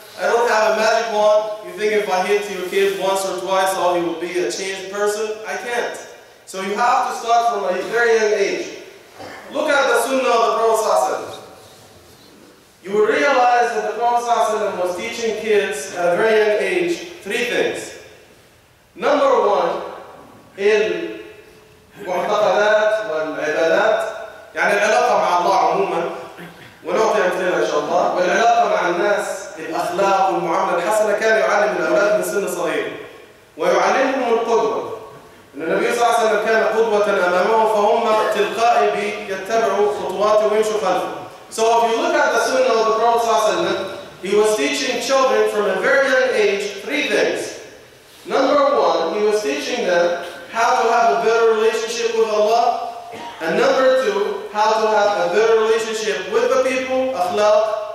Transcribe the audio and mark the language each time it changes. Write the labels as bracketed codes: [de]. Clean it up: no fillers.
[en] I don't have a magic wand. You think if I hit your kid once or twice, oh, he will be a changed person? I can't. So you have to start from a very young age. Look at the sunnah of the Prophet. You will realize that the Prophet was teaching kids at a very young age three things. Number one, in [ar] المعتقدات والعبادات يعني العلاقة مع الله عموما ونعطي أمثلة الله، والعلاقه مع الناس، الاخلاق والمعامله الحسنه، كان يعلم الاولاد من سن صغير ويعلمهم القدوه. ان النبي صلى الله عليه وسلم كان قدوه امامهم، فهم تلقائي يتبعوا خطواته ويمشوا خلفه. [en] So if you look at the sunnah of the Prophet صلى الله عليه وسلم, he was teaching children from a very young age three things. Number one, he was teaching them how to have a better relationship with Allah. And number two, how to have a better relationship with the people, akhlaq.